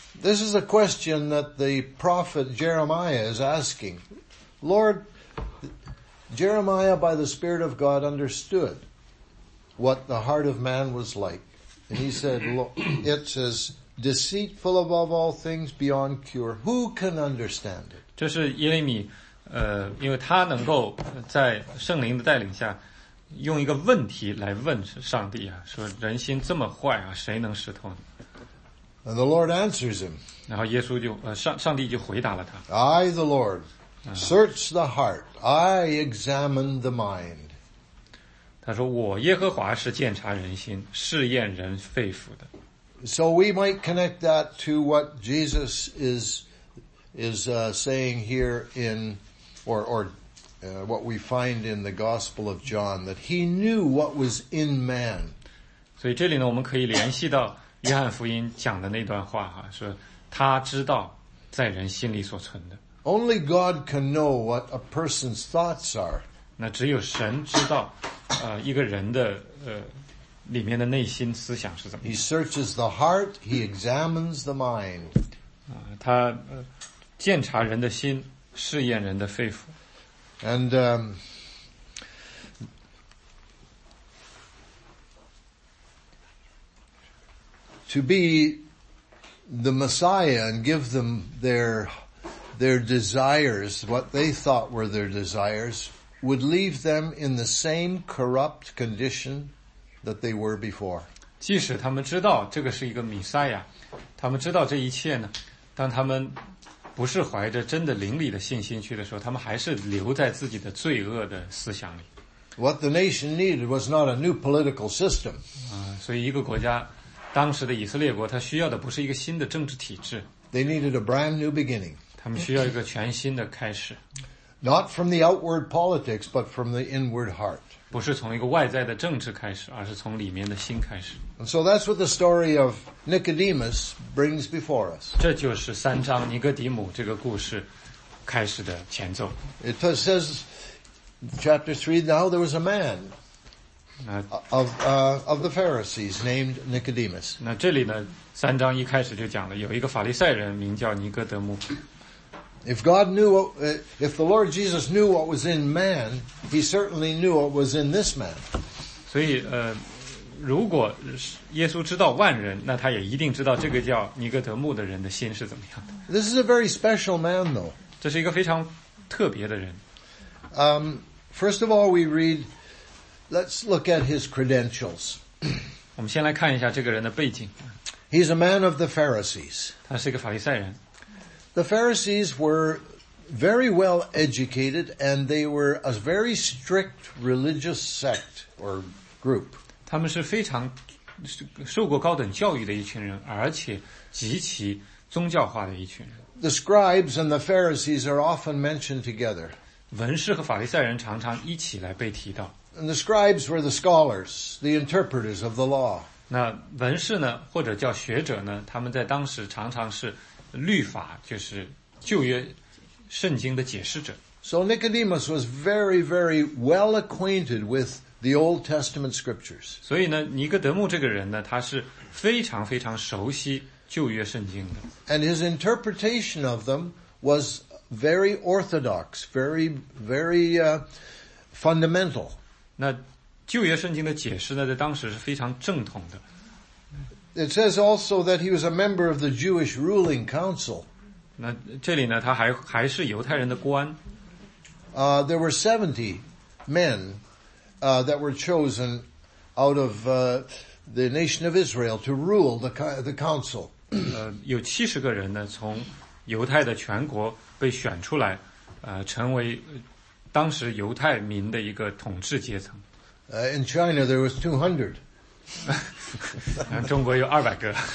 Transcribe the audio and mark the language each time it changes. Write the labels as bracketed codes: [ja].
[en] This is a question that the prophet Jeremiah is asking. Lord, Jeremiah, by the Spirit of God, understood what the heart of man was like. And he said, it's as deceitful above all things beyond cure. Who can understand it? [zh] 这是耶利米，因为他能够在圣灵的带领下，用一个问题来问上帝啊，说人心这么坏啊，谁能识透呢？ [en] And the Lord answers him. [zh] 然后耶稣就，上帝就回答了他。 [en] I, the Lord, search the heart. I examine the mind. [zh] 他说我耶和华是鉴察人心试验人肺腑的。 [en] So we might connect that to what Jesus is saying here in, what we find in the Gospel of John, that he knew what was in man. [zh] 所以这里呢我们可以联系到约翰福音讲的那段话啊，说他知道在人心里所存的。 [en] Only God can know what a person's thoughts are. [zh] 那只有神知道，一个人的里面的内心思想是怎么样。 [en] He searches the heart, he examines the mind. [zh] 他鉴察人的心，试验人的肺腑。 [en] And to be the Messiah and give them their desires, what they thought were their desires, would leave them in the same corrupt condition that they were before. [zh] 即使他们知道这个是一个弥赛亚，他们知道这一切呢，当他们不是怀着真的灵里的信心去的时候，他们还是留在自己的罪恶的思想里。 [en] What the nation needed was not a new political system. [zh] 所以一个国家，当时的以色列国，它需要的不是一个新的政治体制。 [en] They needed a brand new beginning. [zh] 他们需要一个全新的开始。 [en] Not from the outward politics, but from the inward heart. [zh] 不是从一个外在的政治开始，而是从里面的心开始。 [en] And so that's what the story of Nicodemus brings before us. [zh] 这就是三章尼哥底母这个故事开始的前奏。 [en] It says, chapter 3, now there was a man of the Pharisees named Nicodemus. [zh] 那这里呢，三章一开始就讲了，有一个法利赛人名叫尼哥德姆。 [en] If God knew, if the Lord Jesus knew what was in man, He certainly knew what was in this man. [zh] 所以，如果耶稣知道万人，那他也一定知道这个叫尼哥德慕的人的心是怎么样的。 [en] This is a very special man, though. [zh] 这是一个非常特别的人。 [en] First of all, we read. Let's look at his credentials. [zh] 我们先来看一下这个人的背景。 [en] He's a man of the Pharisees. [zh] 他是一个法利赛人。 [en] The Pharisees were very well educated and they were a very strict religious sect or group. [zh] 他们是非常受过高等教育的一群人，而且极其宗教化的一群人。 [en] The scribes and the Pharisees are often mentioned together. [zh] 文士和法利赛人常常一起来被提到。 [en] And the scribes were the scholars, the interpreters of the law. [zh] 那文士呢，或者叫学者呢，他们在当时常常是律法，就是旧约圣经的解释者。 [en] So Nicodemus was very, very well acquainted with the Old Testament scriptures. [zh] 所以呢，尼哥德慕这个人呢，他是非常非常熟悉旧约圣经的。 [en] And his interpretation of them was very orthodox, very, very fundamental. [zh] 那旧约圣经的解释呢，在当时是非常正统的。 [en] It says also that he was a member of the Jewish ruling council. [zh] 那这里呢，他还是犹太人的官。 [en] There were 70 men that were chosen out of the nation of Israel to rule the council. [zh] 有70个人呢，从犹太的全国被选出来，成为当时犹太民的一个统治阶层。 [en] In China, there was 200. [zh] 中国有200个。